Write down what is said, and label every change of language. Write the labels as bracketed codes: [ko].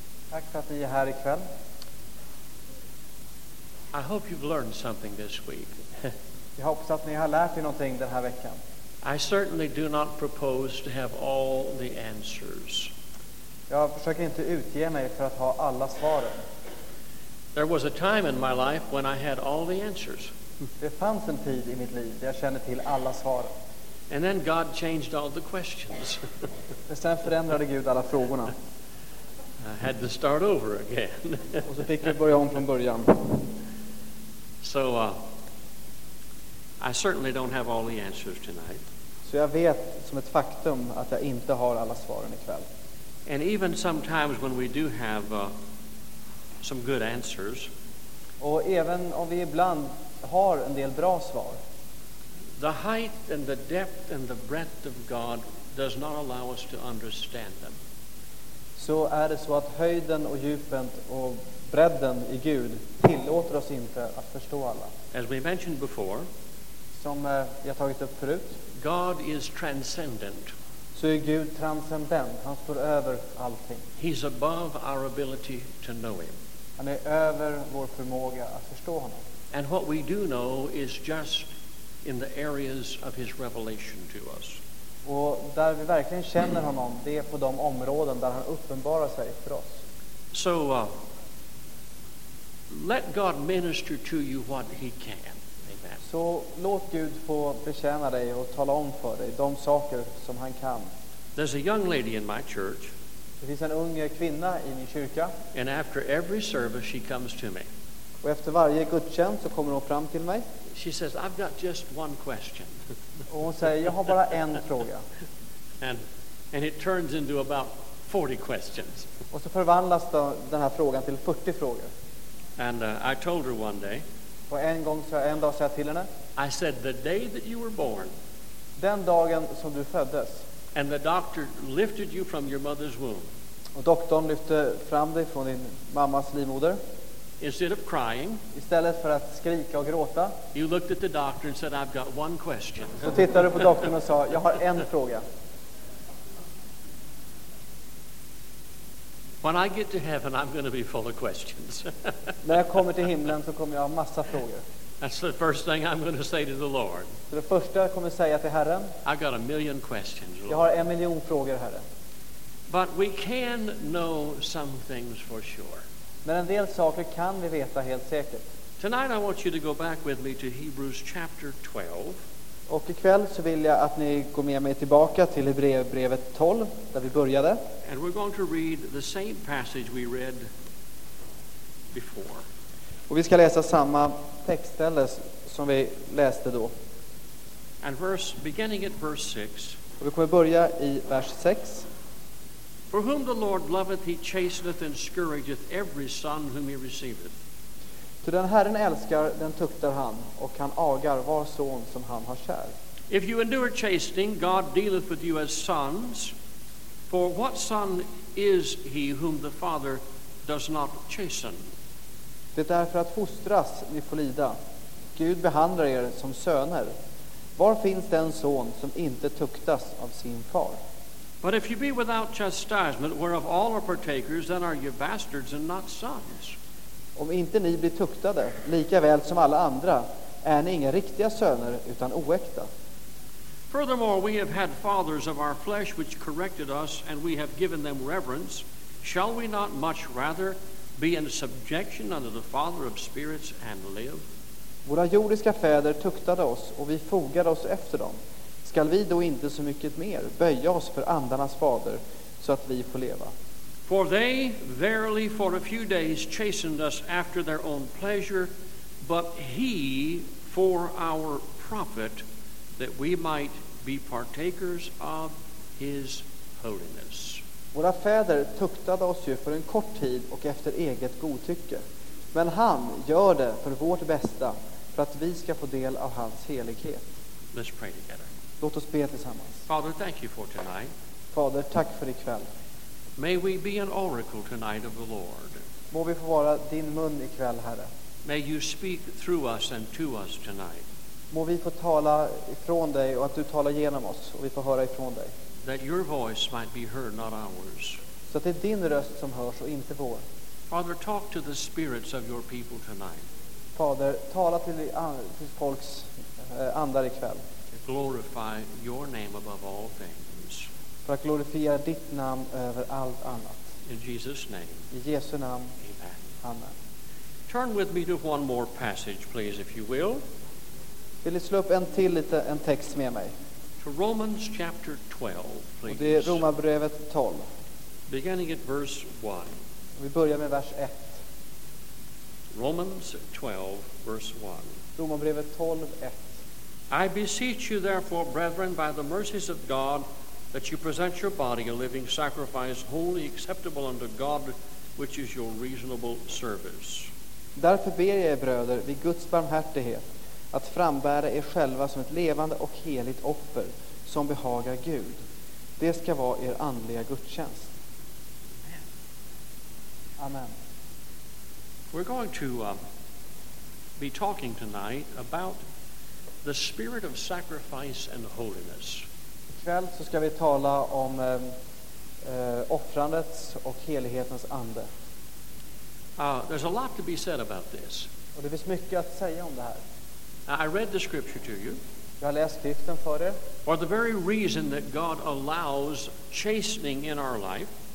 [sv] Tack för att ni är här ikväll. [en] I hope you've learned something this week. [sv] Jag hoppas att ni har lärt er någonting den här veckan. [en] I certainly do not propose to have all the answers. [sv] Jag försöker inte utge mig för att ha alla svaren. [en] There was a time in my life when I had all the answers. [sv] Det fanns en tid i mitt liv där jag kände till alla svaren. [en] And then God changed all the questions. [sv] Sen förändrade Gud alla frågorna. [en] I had to start over again. [sv] Och så fick vi börja om från början. [en] So I certainly don't have all the answers tonight. [sv] Så jag vet som ett faktum att jag inte har alla svaren ikväll. [en] And even sometimes when we do have some good answers. [sv] Och även om vi ibland har en del bra svar. [en] The height and the depth and the breadth of God does not allow us to understand them. [sv] Så är det så att höjden och djupet och bredden i Gud tillåter oss inte att förstå alla. [en] As we mentioned before, [sv] som jag tagit upp förut, [en] God is transcendent. [sv] Så är Gud transcendent. Han står över allting. [en] He's above our ability to know him. [sv] Han är över vår förmåga att förstå honom. [en] And what we do know is just in the areas of his revelation to us. [sv] Och där vi verkligen känner honom, det är på de områden där han uppenbarar sig för oss. [en] So let God minister to you what he can. Amen. [sv] Så låt Gud få betjäna dig och tala om för dig de saker som han kan. [en] There's a young lady in my church. [sv] Det finns en ung kvinna i min kyrka. [en] And after every service she comes to me. [sv] Och efter varje gudstjänst så kommer hon fram till mig. [en] She says, I've got just one question. [sv] Och hon säger, jag har bara en fråga. [en] And it turns into about 40 questions. [sv] Och så förvandlas då den här frågan till 40 frågor. [en] And I told her one day. [sv] Och en gång så en dag sa jag till henne. [en] I said, the day that you were born. [sv] Den dagen som du föddes. [en] And the doctor lifted you from your mother's womb. [sv] Och doktorn lyfte fram dig från din mammas livmoder. [en] Instead of crying, [sv] istället för att skrika och gråta, [en] you looked at the doctor and said, "I've got one question." [sv] Så tittade du på doktorn och sa, "Jag har en fråga." [en] When I get to heaven, I'm going to be full of questions. [sv] När jag kommer till himlen så kommer jag ha massa frågor. [en] That's the first thing I'm going to say to the Lord. [sv] Så det första jag kommer säga till Herren. [en] I've got a million questions, Lord. [sv] Jag har en miljon frågor, Herre. [en] But we can know some things for sure. [sv] Men en del saker kan vi veta helt säkert. [en] Tonight I want you to go back with me to Hebrews chapter 12. [sv] Och ikväll så vill jag att ni går med mig tillbaka till Hebreerbrevet 12 där vi började. [en] And we're going to read the same passage we read before. [sv] Och vi ska läsa samma textställe som vi läste då. [en] And beginning at verse 6. [sv] Och vi kommer börja i vers 6. [en] For whom the Lord loveth, he chasteneth and scourgeth every son whom he receiveth. [sv] Ty den Herren älskar, den tuktar han, och han agar var son som han har kär. [en] If you endure chastening, God dealeth with you as sons. For what son is he whom the father does not chasten? [sv] Det är för att fostras ni får lida. Gud behandlar er som söner. Var finns den son som inte tuktas av sin far? [en] But if you be without chastisement, whereof all are partakers, then are you bastards and not sons. [sv] Om inte ni blir tuktade, lika väl som alla andra, är ni inga riktiga söner, utan oäkta. [en] Furthermore, we have had fathers of our flesh which corrected us, and we have given them reverence. Shall we not much rather be in subjection unto the Father of spirits and live? [sv] Våra jordiska fäder tuktade oss, och vi fogade oss efter dem. Skall vi då inte så mycket mer böja oss för andarnas fader så att vi får leva? [en] For they verily for a few days chastened us after their own pleasure, but he for our profit, that we might be partakers of his holiness. [sv] Våra fäder tuktade oss ju för en kort tid och efter eget godtycke, men han gör det för vårt bästa för att vi ska få del av hans helighet. [en] Let's pray together. [sv] Låt oss be tillsammans. [en] Father, thank you for tonight. [sv] Fader, tack för ikväll. [en] May we be an oracle tonight of the Lord. [sv] Må vi få vara din mun ikväll, Herre. [en] May you speak through us and to us tonight. [sv] Må vi få tala ifrån dig och att du talar genom oss och vi får höra ifrån dig. [en] That your voice might be heard, not ours. [sv] Så Så att det är din röst som hörs och inte vår. [en] Father, talk to the spirits of your people tonight. [sv] Fader, tala till folks andar ikväll. [en] Glorify your name above all things. [sv] För att glorifiera ditt namn över allt annat. [en] In Jesus name. [sv] I Jesu namn. [en] Amen. [sv] Amen. [en] Turn with me to one more passage, please, if you will. [sv] Vill du slå upp en till lite en text med mig? [en] To Romans chapter 12, please. [sv] Och det är Romarbrevet 12. [en] Beginning at verse 1. [sv] Vi börjar med vers 1. [en] Romans 12, verse 1. [sv] Romarbrevet 12, 1. [en] I beseech you therefore, brethren, by the mercies of God, that you present your body a living sacrifice, holy, acceptable unto God, which is your reasonable service. [sv] Därför ber jag er, bröder, vid Guds barmhärtighet, att frambära er själva som ett levande och heligt offer som behagar Gud. Det ska vara er andliga gudstjänst. Amen. [en] We're going to be talking tonight about the spirit of sacrifice and holiness. [sv] Ikväll så ska vi tala om offrandets och helighetens ande. [en] There's a lot to be said about this. [sv] Och det finns mycket att säga om det här. [en] I read the scripture to you. [sv] Jag har läst skriften för er. [en] For the very reason that God allows chastening in our life.